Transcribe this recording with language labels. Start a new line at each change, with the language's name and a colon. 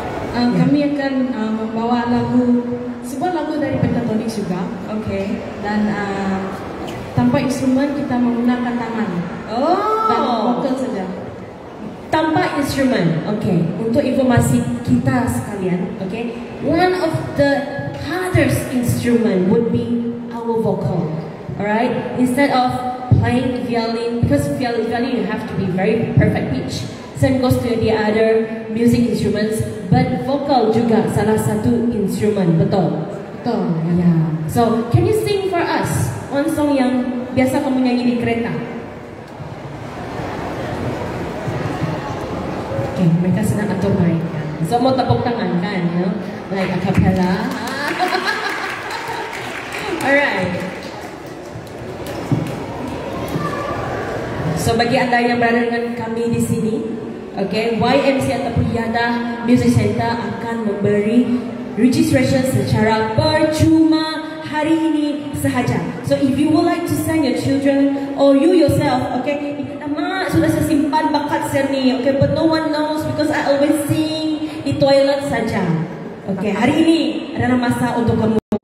Malay: Kami akan membawa lagu, sebuah lagu dari pentatonik juga. Okay. Dan tanpa instrumen kita menggunakan tangan. Oh. Dan vokal saja. Tanpa instrumen. Okay. Untuk informasi kita sekalian, okay.
English: One of the hardest instrument would be our vocal. All right. Instead of playing violin, because violin you have to be very perfect pitch. Same goes to the other music instruments, but vocal
Malay: juga salah satu
English: instrument,
Malay: betul? Betul.
English: Yeah. So, can you sing for us one song
Malay: yang biasa kamu nyanyi di kereta? Okay, mereka senang atur mic. So, mau tepuk tangan kan,
English: you know? Like a cappella. Alright.
Malay: So, bagi anda yang berada dengan kami di sini, okay, YMC ataupun Yadah Music Center akan memberi registration secara percuma hari ini sahaja.
English: So if you would like to send your children or you yourself, okay,
Malay: mak sudah saya simpan bakat seni,
English: okay, but no one knows because I always sing
Malay: di toilet saja. Okay, hari ini adalah masa untuk kamu.